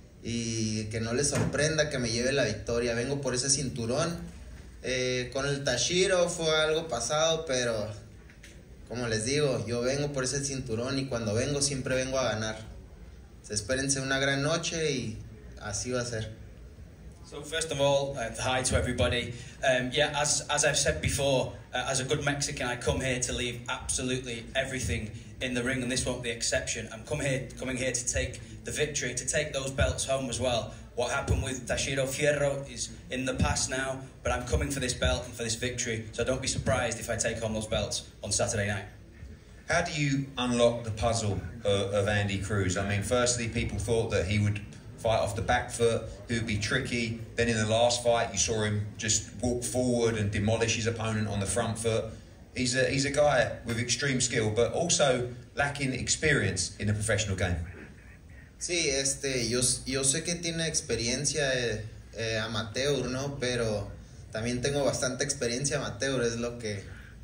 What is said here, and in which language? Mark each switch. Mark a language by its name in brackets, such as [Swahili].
[Spanish] Y que no le sorprenda que me lleve la victoria. Vengo por ese cinturón. Con el Tashiro fue algo pasado, pero como les digo, yo vengo por ese cinturón y cuando vengo siempre vengo a ganar. Espérense una gran noche y así va a ser. [English] So first of all, hi to everybody. Yeah, as I've said before, as a good Mexican, I come here to leave absolutely everything in the ring, and this won't be the exception. I'm coming here to take the victory, to take those belts home as well. What happened with Tashiro Fierro is in the past now, but I'm coming for this belt and for this victory, so don't be surprised if I take home those belts on Saturday night. How do you unlock the puzzle of Andy Cruz? I mean, firstly, people thought that he would fight off the back foot, who would be tricky. Then in the last fight, you saw him just walk forward and demolish his opponent on the front foot. He's a guy with extreme skill, but also lacking experience in a professional game. [Spanish] Sí, yo sé que tiene experiencia amateur, ¿no? Pero también tengo bastante experiencia amateur, es lo que...